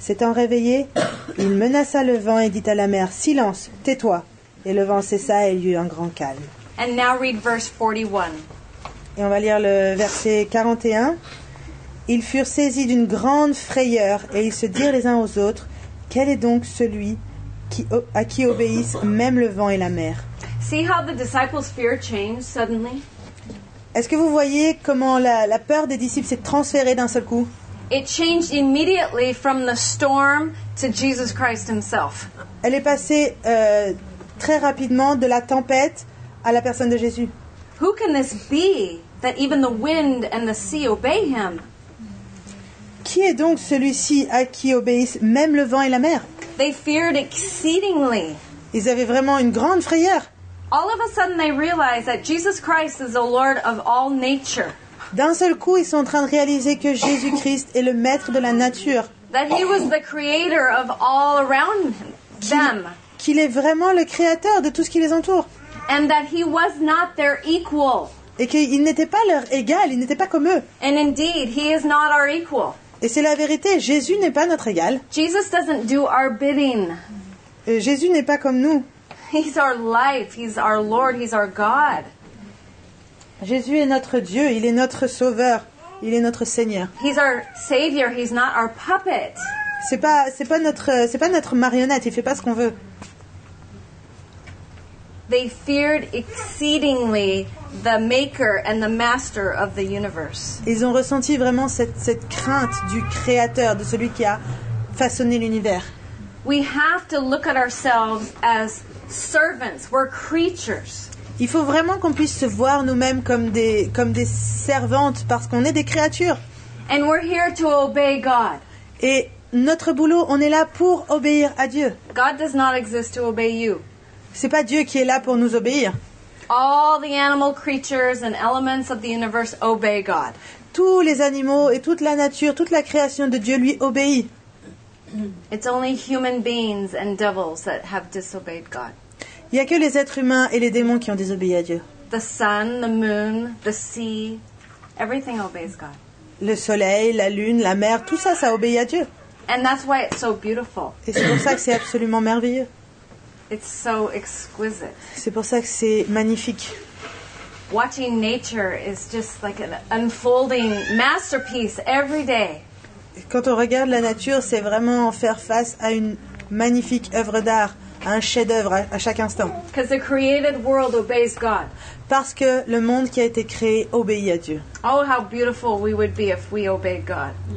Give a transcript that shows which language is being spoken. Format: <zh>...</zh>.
<fr>S'étant réveillé, il menaça le vent et dit à la mer, « Silence, tais-toi. » Et le vent cessa et il y eut un grand calme.</fr> <en>And now read verse 41.</en> <fr>Et on va lire le verset 41. « Ils furent saisis d'une grande frayeur et ils se dirent les uns aux autres, « Quel est donc celui à qui obéissent même le vent et la mer ?»</fr> <en>See how the disciples' fear changed suddenly?</en> <fr>Est-ce que vous voyez comment la peur des disciples s'est transférée d'un seul coup?</fr> <en>It changed immediately from the storm to Jesus Christ himself.</en> <fr>Elle est passée très rapidement de la tempête à la personne de Jésus.</fr> <en>Who can this be? that even the wind and the sea obey him.</en> <fr>Qui est donc celui-ci à qui obéissent même le vent et la mer?</fr> <en>They feared exceedingly.</en> <fr>Ils avaient vraiment une grande frayeur.</fr> <en>All of a sudden they realize that Jesus Christ is the Lord of all nature.</en> <fr>D'un seul coup, ils sont en train de réaliser que Jésus-Christ est le maître de la nature.</fr> <en>That he was the creator of all around them.</en> <fr>Qu'il est vraiment le créateur de tout ce qui les entoure.</fr> <en>And that he was not their equal.</en> <fr>Et qu'il n'était pas leur égal, il n'était pas comme eux.</fr> <en>And indeed, he is not our equal.</en> <fr>Et c'est la vérité, Jésus n'est pas notre égal.</fr> <en>Jesus doesn't do our bidding.</en> <fr>Et Jésus n'est pas comme nous.</fr> <en>He's our life, he's our Lord, he's our God.</en> <fr>Jésus est notre Dieu, il est notre sauveur, il est notre Seigneur.</fr> <en>He's our savior, he's not our puppet.</en> <fr>C'est pas notre marionnette, il fait pas ce qu'on veut.</fr> <en>They feared exceedingly the maker and the master of the universe.</en> <fr>Ils ont ressenti vraiment cette crainte du créateur, de celui qui a façonné l'univers.</fr> <en>We have to look at ourselves as servants, we're creatures.</en> <fr>Il faut vraiment qu'on puisse se voir nous-mêmes comme des servantes parce qu'on est des créatures.</fr> <en>And we're here to obey God.</en> <fr>Et notre boulot, on est là pour obéir à Dieu.</fr> <en>God does not exist to obey you.</en> <fr>C'est pas Dieu qui est là pour nous obéir.</fr> <en>All the animal creatures and elements of the universe obey God.</en> <fr>Tous les animaux et toute la nature, toute la création de Dieu lui obéit.</fr> <en>It's only human beings and devils that have disobeyed God.</en> <fr>Il n'y a que les êtres humains et les démons qui ont désobéi à Dieu.</fr> <en>The sun, the moon, the sea, everything obeys God.</en> <fr>Le soleil, la lune, la mer, tout ça, ça obéit à Dieu.</fr> <en>And that's why it's so beautiful.</en> <fr>Et c'est pour ça que c'est absolument merveilleux.</fr> <en>It's so exquisite.</en> <fr>C'est pour ça que c'est magnifique.</fr> <en>Watching nature is just like an unfolding masterpiece every day.</en> <fr>Quand on regarde la nature, c'est vraiment faire face à une magnifique œuvre d'art. Un chef-d'œuvre à chaque instant.</fr> <en>Because the created world obeys God.</en> <fr>Parce que le monde qui a été créé obéit à Dieu.</fr> <en>Oh, how beautiful we would be if we obeyed God.</en>